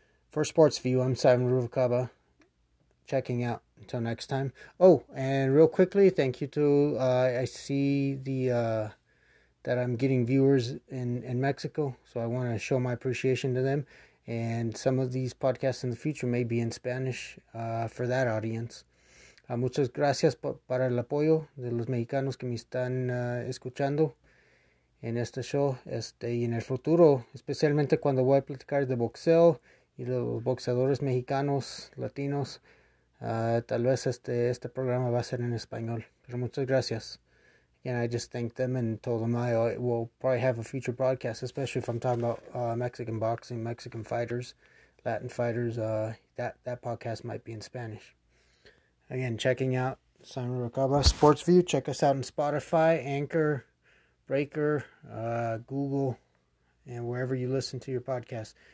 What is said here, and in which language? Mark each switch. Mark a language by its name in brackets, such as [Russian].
[English] For Sportsview, I'm Simon Ruvakaba, checking out. Until next time. Oh, and real quickly, thank you to I see the that I'm getting viewers in Mexico, so I want to show my appreciation to them. And some of these podcasts in the future may be in Spanish for that audience. [Spanish] Muchas gracias para el apoyo de los mexicanos que me están escuchando en este show. Y en el futuro, especialmente cuando voy a platicar de boxeo y los boxeadores mexicanos, latinos, tal vez este programa va a ser en español. Pero muchas gracias. [English] And I just thanked them and told them I will probably have a future broadcast, especially if I'm talking about Mexican boxing, Mexican fighters, Latin fighters. That podcast might be in Spanish. Again, checking out Simon Rocaba, Sportsview. Check us out on Spotify, Anchor, Breaker, Google, and wherever you listen to your podcast.